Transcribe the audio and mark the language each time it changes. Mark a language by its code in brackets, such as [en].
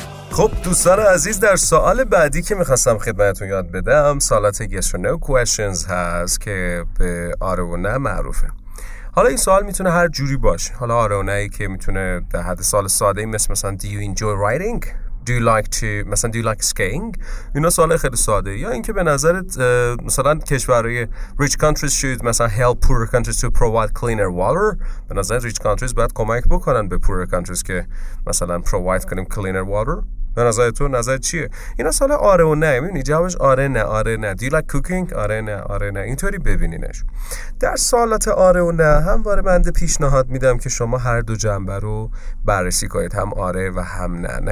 [fa] خب دوستان عزیز، در سوال بعدی که میخواستم خدمتتون یاد بدم، سوالات [en] yes or no questions [fa] هست که به آره و نه معروفه. حالا این سوال میتونه هر جوری باشه. حالا آره و نهی که میتونه در حد سوال ساده ای مثلا [en] do you enjoy writing؟ do you like to [fa] مثلا [en] do you like skiing؟ [fa] اینا سوال خیلی ساده. یا اینکه به نظرت مثلا کشورهای [en] rich countries should [fa] مثلا [en] help poorer countries to provide cleaner water. [fa] به نظرت [en] rich countries [fa] باید کمک بکنن به [en] poorer countries [fa] که مثلا [en] provide [fa] کنیم [en] cleaner water؟ [fa] به نظر تو نظر چیه؟ اینا سوال آره و نه. میبینی جوابش آره نه آره نه. [en] do you like cooking؟ [fa] آره نه آره نه. اینطوری ببینینش. در سوالات آره و نه همواره بنده پیشنهاد میدم که شما هر دو جنبه رو بررسی کنید، هم آره و هم نه.